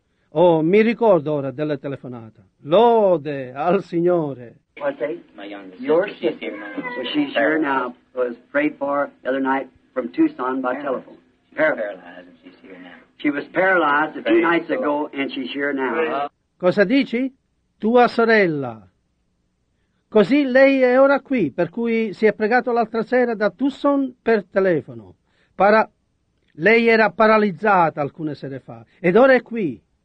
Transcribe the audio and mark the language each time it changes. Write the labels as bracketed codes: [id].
[it] Oh, mi ricordo ora della telefonata. Lode al Signore. [en] Your sister, well, she's here now, was prayed for the other night from Tucson by telephone. Paralyzed, she was paralyzed a few nights ago, and she's here now. [it] Cosa dici? Tua sorella. Così lei è ora qui, per cui si è pregato l'altra sera da Tucson per telefono. Lei era paralizzata alcune sere fa, ed ora è qui.